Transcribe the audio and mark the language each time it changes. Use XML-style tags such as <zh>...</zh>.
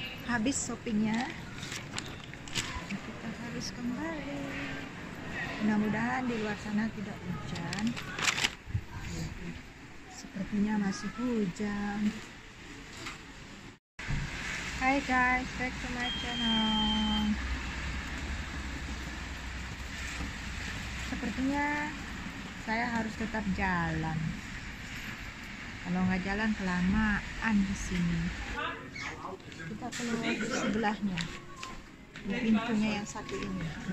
<id>Habis shoppingnya, kita harus kembali. Mudah-mudahan di luar sana tidak hujan. Sepertinya masih hujan.</id> <en>Hi guys, back to my channel.</en> <id>Sepertinya saya harus tetap jalan. Kalau nggak jalan kelamaan di sini. Kita keluar di sebelahnya, di pintunya yang satu ini.</id>